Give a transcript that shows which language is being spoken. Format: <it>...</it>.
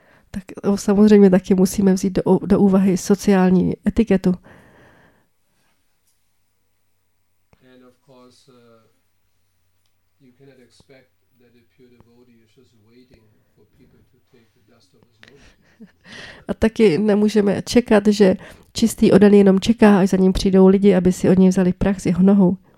<cs>Tak samozřejmě taky musíme vzít do úvahy sociální etiketu.</cs> <en>And of course, you cannot expect that a pure devotee is just waiting for people to take the dust off his nose.</en> <cs>A taky nemůžeme čekat, že čistý oddaný jenom čeká, až za ním přijdou lidi, aby si od něj vzali prach z jeho nohou.</cs>